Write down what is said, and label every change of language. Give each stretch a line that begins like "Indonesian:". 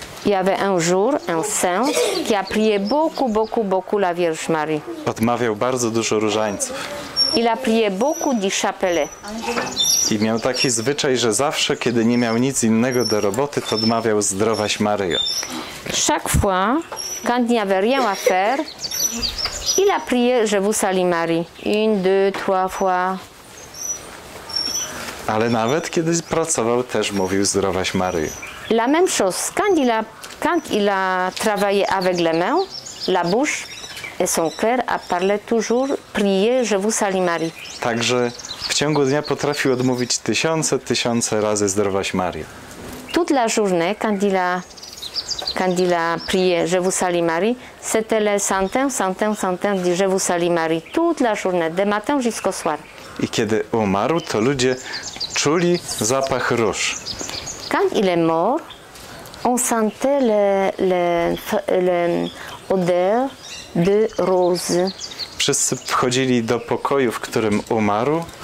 French: Il y avait un jour un saint qui a prié beaucoup, beaucoup, beaucoup la Vierge Marie.
Polish: Odmawiał bardzo dużo różańców.
French: Il a prié beaucoup du chapelet.
Polish: I miał taki zwyczaj, że zawsze, kiedy nie miał nic innego do roboty, to odmawiał Zdrowaś Maryjo.
French: Chaque fois, quand il n'y avait rien à faire, il a prié Je vous salue Marie. Une, deux, trois fois.
Polish: Ale nawet kiedy pracował, też mówił Zdrowaś Maryjo.
French: La même chose, quand il a travaillé avec les mains, la bouche et son cœur a parlé toujours, prié, je vous salue Marie.
Polish: Także w ciągu dnia potrafił odmówić tysiące, tysiące razy Zdrowaś Maryjo.
French: Toute la journée, quand il a prié, je vous salue Marie, c'était le centaine, centaine, centaine, dit, je vous salue Marie. Toute la journée, de matin jusqu'au soir.
Polish: I kiedy umarł, to ludzie czuli zapach róż.
French: Quand il est mort, on sentait l'odeur de rose.
Polish: Wszyscy wchodzili do pokoju, w którym umarł.